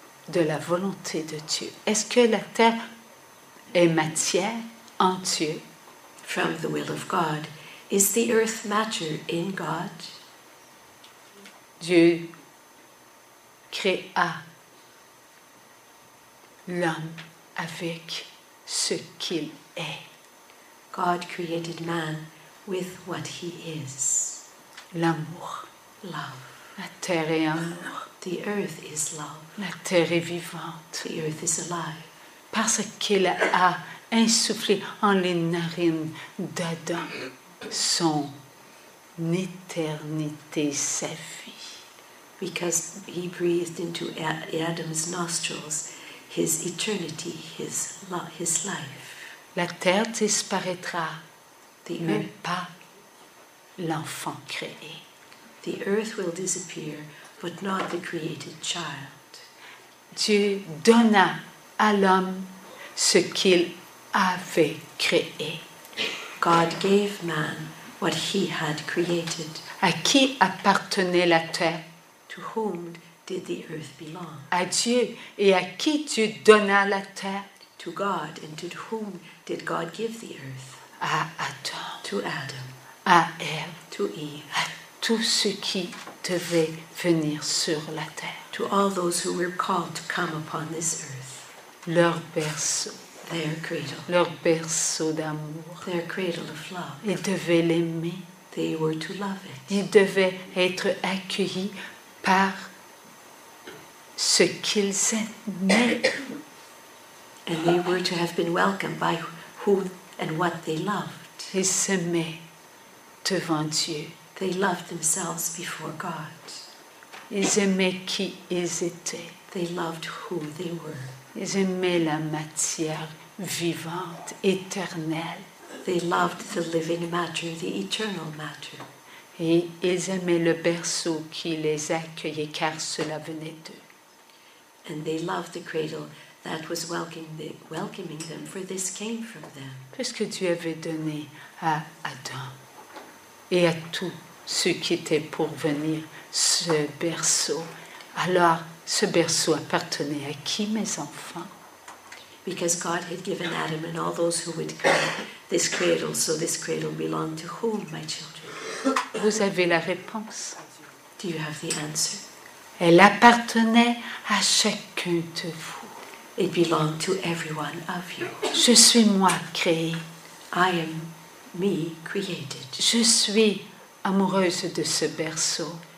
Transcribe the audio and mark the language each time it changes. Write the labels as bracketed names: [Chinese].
[French] De la volonté de Dieu. Est-ce que la terre est matière en Dieu? [English] From the will of God. Is the earth matter in God? [French] Dieu créa l'homme avec ce qu'il est. [English] God created man with what he is. [French] L'amour. [English] Love. [French] La terre est amour. [English] The earth is love. [French] La terre est vivante. [English] The earth is alive. [French] Parce qu'il a insufflé en les narines d'Adam son éternité, sa vie. [English] Because he breathed into Adam's nostrils his eternity, his life. [French] La terre disparaîtra, même pas l'enfant créé. [English] The earth will disappear, but not the created child. [French] Dieu donna à l'homme ce qu'il avait créé. [English] God gave man what he had created. [French] À qui appartenait la terre? [English] To whom did the earth belong? [French] À Dieu. Et à qui Dieu donna la terre? [English] To God. And to whom did God give the earth? [French] À Adam. [English] To Adam. [French] À Eve. [English] To Eve. [French] À tous ceux qui devaient venir sur la terre. [English] To all those who were called to come upon this earth. [French] Leur berceau. [English] Their cradle. [French] Leur berceau d'amour. [English] Their cradle of love. [French] Ils devaient l'aimer. [English] They were to love it. [French] Ils devaient être accueillis par ce qu'ils aimaient. [English] And they were to have been welcomed by who and what they loved. [French] Ils s'aimaient devant Dieu. [English] They loved themselves before God. [French] Ils aimaient qui ils étaient. [English] They loved who they were. [French] Ils aimaient la matière vivante, éternelle. [English] They loved the living matter, the eternal matter. [French] Et ils aimaient le berceau qui les accueillait, car cela venait d'eux. [English] And they loved the cradle that was welcoming them, for this came from them. [French] Puisque Dieu avait donné à Adam et à tous ceux qui étaient pour venir ce berceau, alors ce berceau appartenait à qui, mes enfants? [English] Because God had given Adam and all those who would come this cradle, so this cradle belonged to whom, my children? [French] Vous avez la réponse. [English] Do you have the answer? [French] Elle appartenait à chacun de vous. [English] It belonged to every one of you. [French] Je suis moi créé. [English] I am me created. [French] Je suis amoureuse de ce berceau.